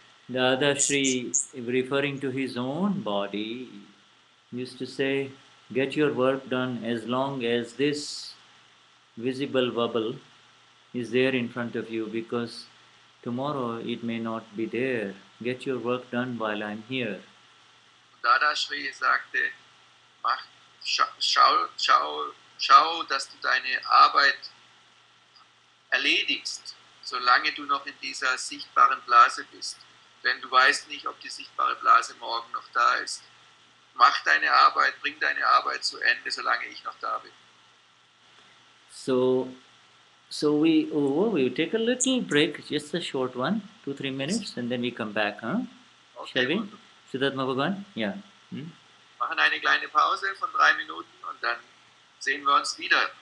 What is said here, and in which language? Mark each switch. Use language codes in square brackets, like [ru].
[en] Dadashri, referring to his own body, used to say, get your work done as long as this visible bubble is there in front of you, because tomorrow it may not be there. Get your work done while I'm here. [de] Dadashri sagte, schau, dass du deine Arbeit erledigst, solange du noch in dieser sichtbaren Blase bist. Denn du weißt nicht, ob die sichtbare Blase morgen noch da ist. Mach deine Arbeit, bring deine Arbeit zu Ende, solange ich noch da bin. [en] So we take a little break, just a short one, 2-3 minutes, and then we come back, huh? Okay, shall we? Siddhartha Mahabhagwan? Yeah. [de] Machen eine kleine Pause von 3 Minuten und dann sehen wir uns wieder.